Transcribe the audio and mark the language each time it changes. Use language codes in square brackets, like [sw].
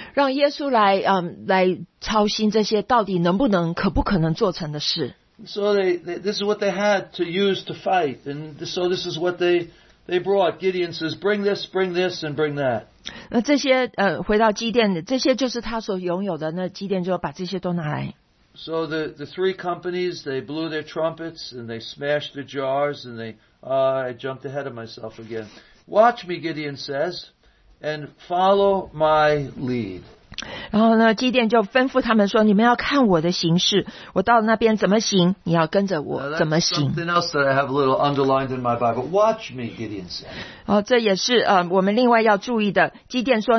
[zh] 让耶稣来, 来操心这些到底能不能, 可不可能做成的事。 [en] So this is what they had to use to fight. And so this is what they brought. Gideon says, bring this, and bring that. [zh] 那这些, 回到基甸, 这些就是他所拥有的, 那基甸就把这些都拿来。 [en] So the three companies, they blew their trumpets and they smashed the jars and they, I jumped ahead of myself again. Watch me, Gideon says, and follow my lead. [zh] 然后呢,基甸就吩咐他们说,你们要看我的行事, 我到那边怎么行, 你要跟着我怎么行。 [en] Now that's something else that I have a little underlined in my Bible. Watch me, Gideon says. [zh] 这也是, 我们另外要注意的, 基甸说,